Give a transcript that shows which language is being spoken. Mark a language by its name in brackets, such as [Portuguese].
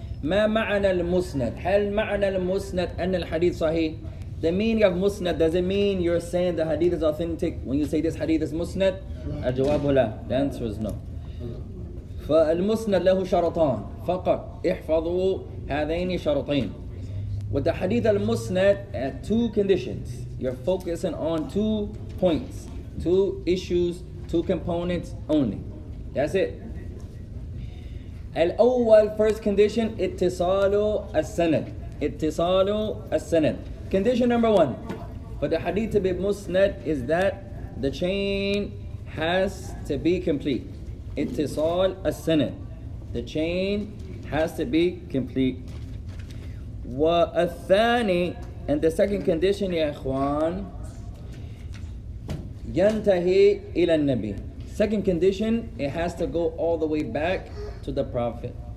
[Arabic] ما معنى المسند؟ هل معنى المسند أن الحديث صحيح؟ [English] The meaning of مسند, does it mean you're saying the hadith is authentic when you say this hadith is مسند؟ [Arabic] الجواب لا. [English] The answer is no. [Arabic] فالمسند له شرطان فقط, احفظوا هذين شرطين. [English] With the hadith al-musnad, at two conditions. You're focusing on two points, two issues, two components only. That's it. Al-awwal, first condition, ittisalu as-sanad. [Arabic] Ittisalu as-sanad. [English] Condition number one, for the hadith to be musnad, is that the chain has to be complete. Ittisal as-sanad. The chain has to be complete. [Arabic] والثاني, [English] and the second condition, [Arabic] يا إخوان, ينتهي إلى النبي. [English] Second condition, it has to go all the way back to the Prophet.